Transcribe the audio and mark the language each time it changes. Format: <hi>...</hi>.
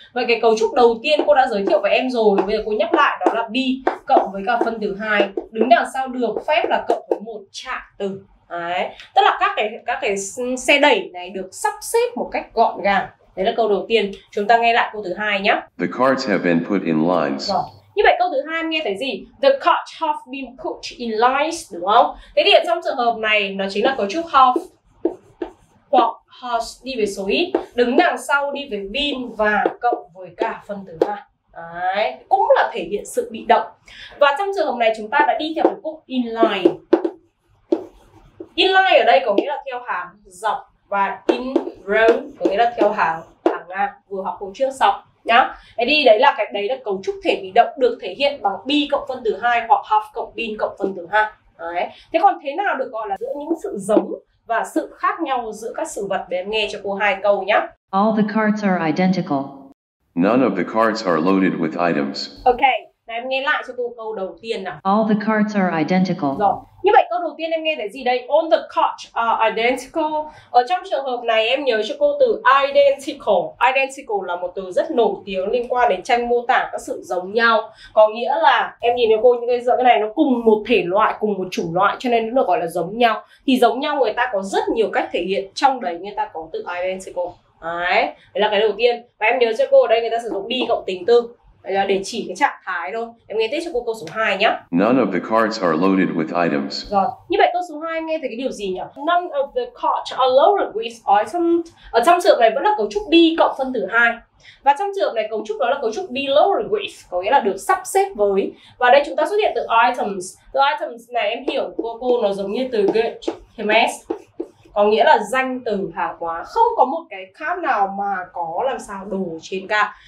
<vi>Vậy cái cấu trúc đầu tiên cô đã giới thiệu với em rồi, bây giờ cô nhắc lại, đó là be cộng với cả phân từ 2 đứng đằng sau được phép là cộng với một trạng từ. Đấy. Tức là các cái xe đẩy này được sắp xếp một cách gọn gàng. Đấy là câu đầu tiên. Chúng ta nghe lại câu thứ hai nhé.</vi> <en>The cards have been put in lines.</en> <vi>Như vậy câu thứ hai em nghe thấy gì?</vi> <en>The cards have been put in lines,</en> <vi>đúng không? Thế thì ở trong trường hợp này nó chính là cấu trúc have hoặc has đi về số ít, đứng đằng sau đi về been và cộng với cả phân từ 2. Đấy, cũng là thể hiện sự bị động. Và trong trường hợp này chúng ta đã đi theo cái cụm in line. In line ở đây có nghĩa là theo hàng dọc, và in row có nghĩa là theo hàng ngang, vừa học hôm trước xong nhá. Thế thì đấy là cấu trúc thể bị động được thể hiện bằng be cộng phân từ 2 hoặc have cộng been cộng phân từ 2. Đấy. Thế còn thế nào được gọi là giữa những sự giống và sự khác nhau giữa các sự vật, để em nghe cho cô hai câu nhá.</vi> <en>All the cards are identical. None of the cards are loaded with items.</en> <vi>Ok, này em nghe lại cho cô câu đầu tiên nào.</vi> <en>All the cards are identical.</en> <vi>Rồi. Như vậy câu đầu tiên em nghe thấy gì đây?</vi> <en>All the cards are identical.</en> <vi>Ở trong trường hợp này em nhớ cho cô từ identical. Identical là một từ rất nổi tiếng liên quan đến tranh mô tả các sự giống nhau. Có nghĩa là em nhìn thấy cô những cái này nó cùng một thể loại, cùng một chủng loại, cho nên nó được gọi là giống nhau. Thì giống nhau người ta có rất nhiều cách thể hiện, trong đấy người ta có từ identical. Đấy, đấy là cái đầu tiên. Và em nhớ cho cô ở đây người ta sử dụng be cộng tính từ để chỉ cái trạng thái thôi. Em nghe tiếp cho cô câu số 2 nhé.</vi> <en>None of the cards are loaded with items.</en> <vi>Rồi, như vậy câu số 2 em nghe thấy cái điều gì nhỉ?</vi> <en>None of the cards are loaded with items.</en> <vi>Ở trong trường này vẫn là cấu trúc be cộng phân từ 2. Và trong trường này cấu trúc đó là cấu trúc be loaded with, có nghĩa là được sắp xếp với. Và đây chúng ta xuất hiện từ items. Từ items này em hiểu cô nó giống như từ get, hermes, có nghĩa là danh từ hàng hóa, không có một cái khác nào mà có làm sao đồ trên cả.</vi>